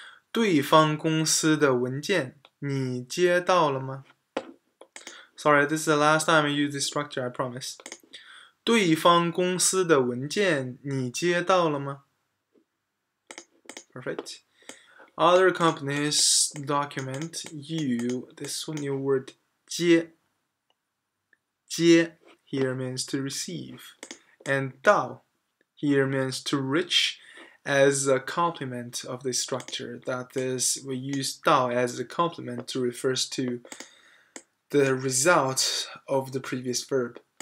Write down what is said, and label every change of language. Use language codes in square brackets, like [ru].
[zh] 对方公司的文件你接到了吗? [en] Sorry, this is the last time I use this structure, I promise. [zh] 对方公司的文件你接到了吗? [en] Perfect. Other company's document, you, this new word, 接. 接 here means to receive. And 到 here means to reach. As a complement of this structure, that is, we use 到 as a complement to refers to the result of the previous verb.